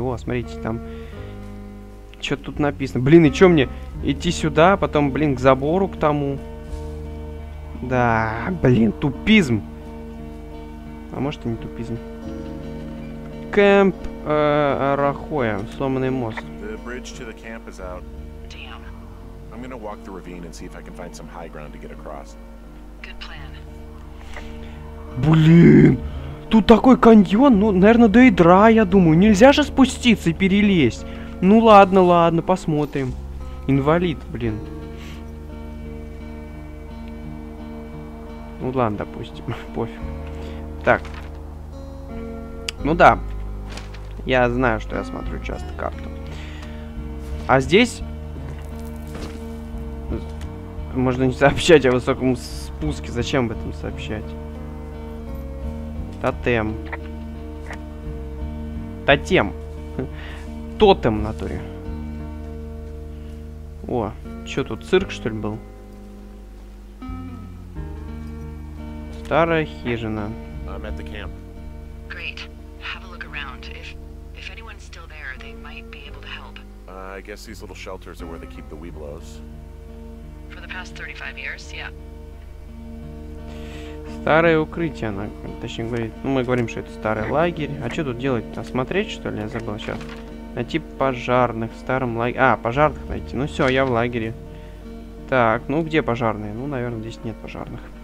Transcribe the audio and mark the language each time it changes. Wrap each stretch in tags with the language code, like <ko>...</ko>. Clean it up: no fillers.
<ru>О, смотрите, там что-то тут написано. Блин, и что мне идти сюда, потом, блин, к забору, к тому. Да, блин, тупизм. А может и не тупизм. Кэмп Арахоя, сломанный мост.</ru> <en>The bridge to the camp is out. Damn. I'm gonna walk the ravine and see if I can find some high ground to get across. Good plan.</en> <ru>Блин, тут такой каньон, ну, наверное, до ядра, я думаю. Нельзя же спуститься и перелезть. Ну ладно, ладно, посмотрим. Инвалид, блин. Ну ладно, допустим, пофиг. Так. Ну да, я знаю, что я смотрю часто карту. А здесь... Можно не сообщать о высоком спуске, зачем об этом сообщать? Тотем. Тотем. Тотем в натуре. О, что тут, цирк, что ли, был? Старая хижина.</ru> <en>I'm at the camp. Great. Have a look around. If anyone's still there, they might be able to help. I guess these little shelters are where they keep the weeblos. For the past 35 years, yeah.</en> <ru>Старое укрытие, она, точнее говорит, ну мы говорим, что это старый лагерь. А что тут делать-то? Смотреть, что ли? Я забыл сейчас. Найти пожарных в старом лагере. А, пожарных найти. Ну все, я в лагере. Так, ну где пожарные? Ну, наверное, здесь нет пожарных.</ru>